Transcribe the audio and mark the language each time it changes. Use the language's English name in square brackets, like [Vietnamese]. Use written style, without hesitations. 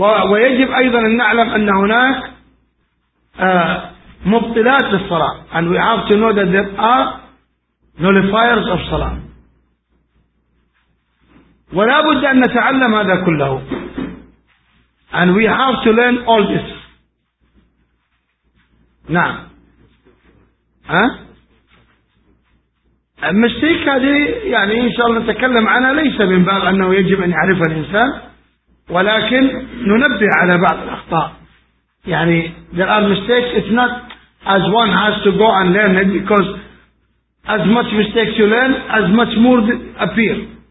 [Arabic] ويجب أيضا أن نعلم أن هناك مبطلات للصلاة. [English] And we have to know that there are nullifiers of صلاة. [Arabic] ولا بد أن نتعلم هذا كله. [English] And we have to learn all this. [Arabic] نعم. المشتيك هذه يعني إن شاء الله نتكلم عنها ليس من باب أنه يجب أن يعرف الإنسان, ولكن ننبه على بعض الأخطاء. [English] يعني there are mistakes, it's not as one has to go and learn it, because as much mistakes you learn, as much more appear.